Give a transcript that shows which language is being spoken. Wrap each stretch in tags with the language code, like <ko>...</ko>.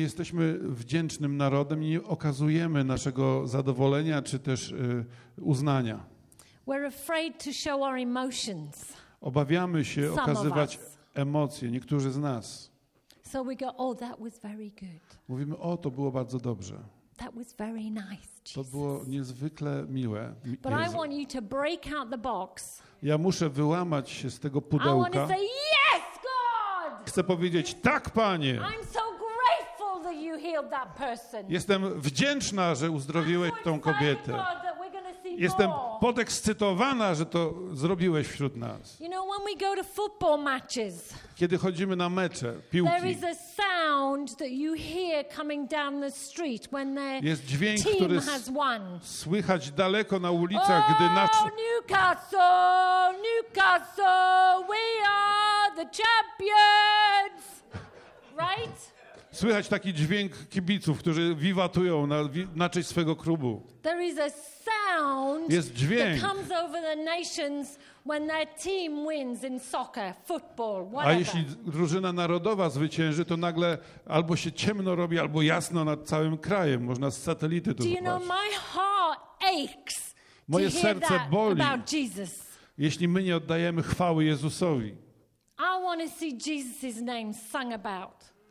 <pl>jesteśmy wdzięcznym narodem, nie okazujemy naszego zadowolenia czy też uznania.</pl> <en>We're afraid to show our emotions.</en> <pl>Obawiamy się okazywać emocje, niektórzy z nas.</pl> <en>So we go, oh, that was very good.</en> <pl>Mówimy, o, to było bardzo dobrze.</pl> <en>That was very nice, Jesus.</en> <pl>To było niezwykle miłe.</pl> <en>But I want you to break out the box.</en> <pl>Ja muszę wyłamać się z tego pudełka.</pl> <en>I want to say, yes!</en> <pl>Chcę powiedzieć, tak, Panie.</pl> <en>I'm so grateful that you healed that person.</en> <pl>Jestem wdzięczna, że uzdrowiłeś tą kobietę.</pl> <en>God, that we're gonna see</en> <pl>Jestem podekscytowana, że to zrobiłeś wśród nas.</pl> <en>You know, when we go to football matches,</en> <pl>kiedy chodzimy na mecze, piłki,</pl> <en>there is a sound that you hear coming down the street when their team</en> <pl>jest dźwięk, który</pl> <en>has won.</en> <pl>Słychać daleko na ulicach, gdy nasz...</pl> <en>Oh, Newcastle, Newcastle, we are the champions! Right?</en> <pl>Słychać taki dźwięk kibiców, którzy wiwatują na cześć swego klubu.</pl> <en>There is a sound</en> <pl>jest dźwięk,</pl> <en>that comes over the nations when their team wins in soccer, football, whatever.</en> <pl>A jeśli drużyna narodowa zwycięży, to nagle albo się ciemno robi, albo jasno nad całym krajem. Można z satelity tu zobaczyć.</pl> <en>Do you know, my heart aches</en> <pl>moje serce boli,</pl> <en>about Jesus.</en> <pl>Jeśli my nie oddajemy chwały Jezusowi.</pl> <en>I want to see Jesus's name sung about.</en>